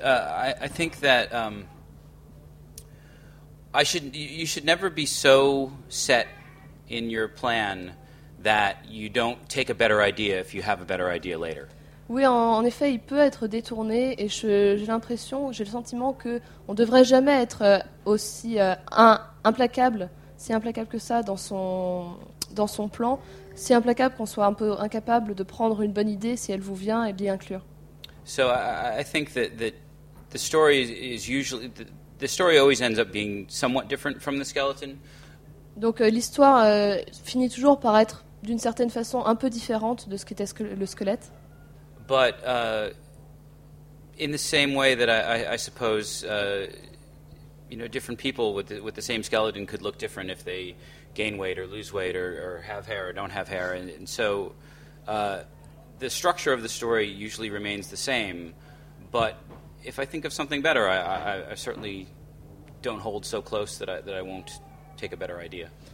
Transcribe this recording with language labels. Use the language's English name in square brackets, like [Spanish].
[English] I think that you should never be so set in your plan that you don't take a better idea if you have a better idea later. [French] Oui, en effet, il peut être détourné, et j'ai le sentiment que on devrait jamais être aussi implacable que ça dans son plan. Si implacable qu'on soit un peu incapable de prendre une bonne idée si elle vous vient et de l'y inclure. [English] So I think that the story is usually the story always ends up being somewhat different from the skeleton. [French] Donc l'histoire finit toujours par être d'une certaine façon un peu différente de ce qu'était le squelette. [English] But in the same way that I suppose you know, different people with the same skeleton could look different if they gain weight or lose weight or have hair or don't have hair, and so the structure of the story usually remains the same, but if I think of something better, I certainly don't hold so close that I won't take a better idea.